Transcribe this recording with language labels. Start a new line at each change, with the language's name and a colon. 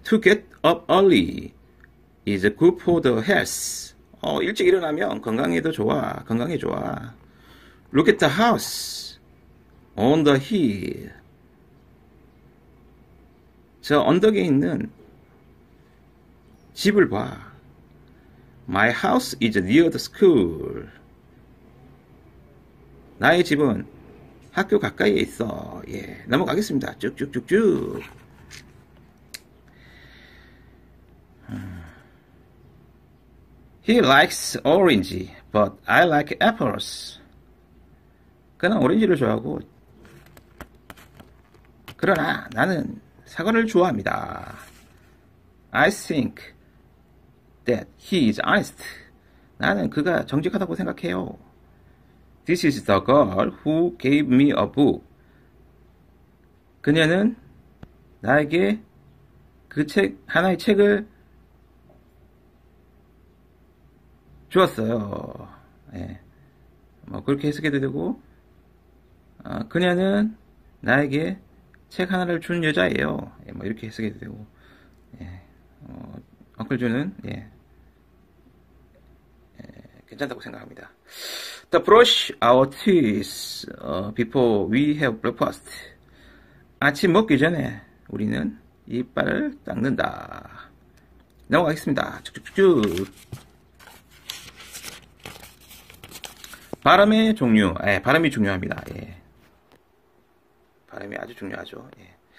English: To get up early is good for the health.
Korean: 일찍 일어나면 건강에도 좋아. 건강에 좋아.
English: Look at the house on the hill.
Korean: 저 언덕에 있는 집을 봐.
English: My house is near the school.
Korean: 나의 집은 학교 가까이에 있어. 예. 넘어가겠습니다. 쭉쭉쭉쭉.
English: He likes orange, but I like apples.
Korean: 그는 오렌지를 좋아하고, 그러나 나는 사과를 좋아합니다.
English: I think that he is honest.
Korean: 나는 그가 정직하다고 생각해요.
English: This is the girl who gave me a book.
Korean: 그녀는 나에게 그 책, 하나의 책을 주었어요. 예. 뭐, 그렇게 해석해도 되고, 그녀는 나에게 책 하나를 준 여자예요. 예, 뭐, 이렇게 해석해도 되고, 예. 언클 존은, 예. 예. 괜찮다고 생각합니다.
English: The brush our teeth before we have breakfast.
Korean: 아침 먹기 전에 우리는 이빨을 닦는다. 넘어가겠습니다. 쭉쭉쭉. 발음의 종류. 예, 발음이 중요합니다. 예. 발음이 아주 중요하죠. 예.